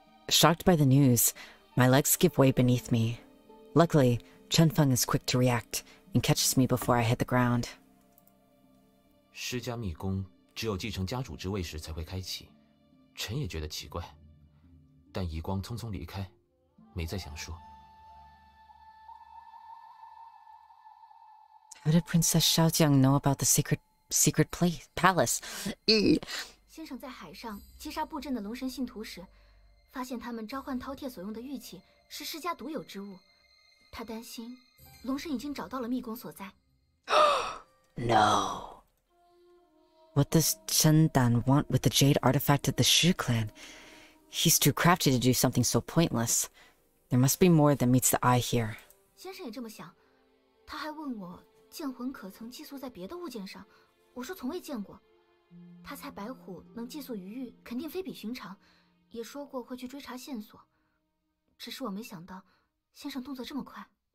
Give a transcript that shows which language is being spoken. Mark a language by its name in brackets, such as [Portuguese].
[English] Shocked by the news, my legs give way beneath me. Luckily, Chen Feng is quick to react and catches me before I hit the ground. [Chinese] 释迦密宫只有继承家主之位时才会开启，臣也觉得奇怪，但遗光匆匆离开，没再详说。 [English] How did Princess Xiao Jiang know about the secret place palace? [Chinese] 先生在海上击杀布阵的龙神信徒时，发现他们召唤饕餮所用的玉器是释迦独有之物，他担心龙神已经找到了密宫所在。 [English] No. What does Chen Dan want with the jade artifact of the Shi clan? He's too crafty to do something so pointless. There must be more than meets the eye here. [Chinese] 先生也这么想，他还问我剑魂可曾寄宿在别的物件上，我说从未见过。他猜白虎能寄宿于玉，肯定非比寻常。也说过会去追查线索，只是我没想到先生动作这么快。